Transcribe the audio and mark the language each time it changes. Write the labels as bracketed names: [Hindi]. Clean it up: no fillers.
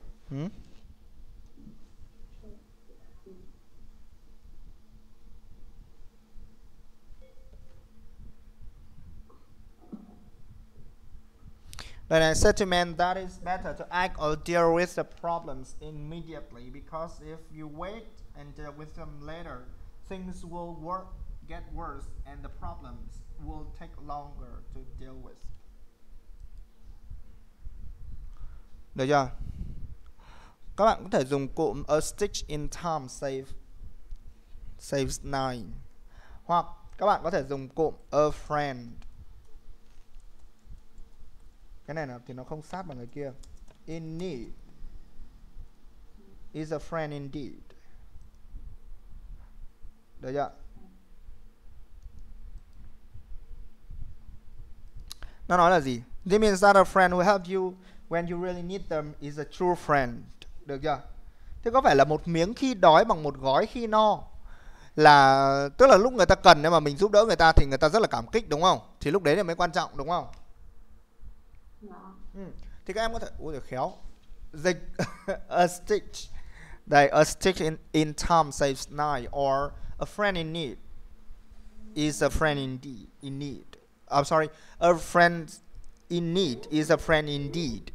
[English] When I said to men that it's better to act or deal with the problems immediately, because if you wait and deal with them later, things will get worse and the problems will take longer to deal with. [Vietnamese] Được chưa? Các bạn có thể dùng cụm a stitch in time saves nine. Hoặc các bạn có thể dùng cụm a friend. Cái này thì nó không sát bằng người kia. [English] In need is a friend indeed. [Vietnamese] Được chưa? Nó nói là gì? [English] This means that a friend who helps you when you really need them is a true friend. [Vietnamese] Được chưa? Thế có phải là một miếng khi đói bằng một gói khi no? Là tức là lúc người ta cần nhưng mà mình giúp đỡ người ta thì người ta rất là cảm kích đúng không? Thì lúc đấy là mới quan trọng đúng không? Thì các em có thể ui giời khéo dịch a stitch đây, a stitch in time saves nine, or a friend in need is a friend indeed. [English] I'm sorry, a friend in need is a friend indeed.